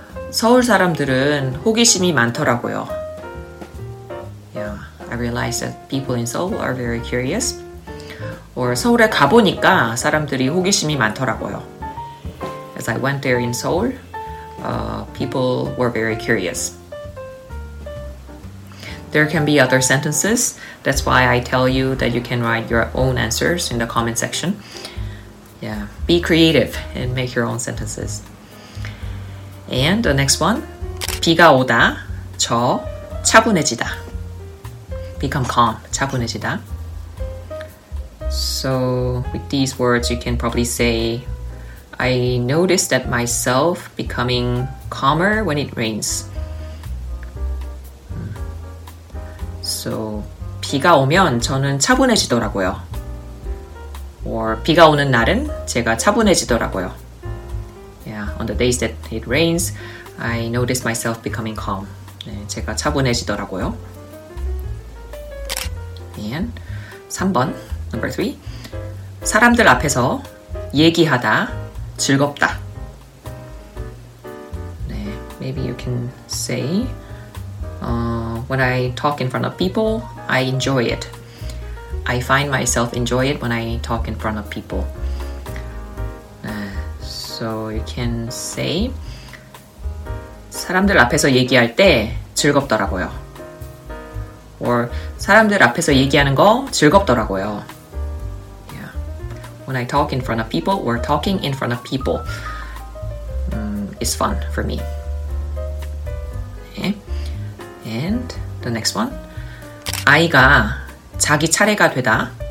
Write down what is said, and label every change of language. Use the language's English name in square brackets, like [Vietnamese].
[Korean] 서울 사람들은 호기심이 많더라고요. [English] Yeah, I realized that people in Seoul are very curious. [Korean] Or 서울에 가보니까 사람들이 호기심이 많더라고요. [English] As I went there in Seoul, people were very curious. There can be other sentences. That's why I tell you that you can write your own answers in the comment section. Yeah, be creative and make your own sentences. And the next one. [Korean] 비가 오다, 저 차분해지다. [English] become calm, 차분해지다. So with these words, you can probably say, I noticed that myself becoming calmer when it rains. [Korean] So 비가 오면 저는 차분해지더라고요. Or 비가 오는 날은 제가 차분해지더라고요. [English] Yeah, on the days that it rains, I notice myself becoming calm. [Korean] 네, 제가 차분해지더라고요. [English] And 3번, number 3. [Korean] 사람들 앞에서 얘기하다 즐겁다. [English] 네, maybe you can say, when I talk in front of people, I enjoy it. I find myself enjoy it when I talk in front of people. So you can say [Korean] 사람들 앞에서 얘기할 때 즐겁더라고요. Or 사람들 앞에서 얘기하는 거 즐겁더라고요. [English] Yeah. When I talk in front of people or talking in front of people is fun for me. Okay. And the next one. [Korean] 아이가 자기 차례가 되다.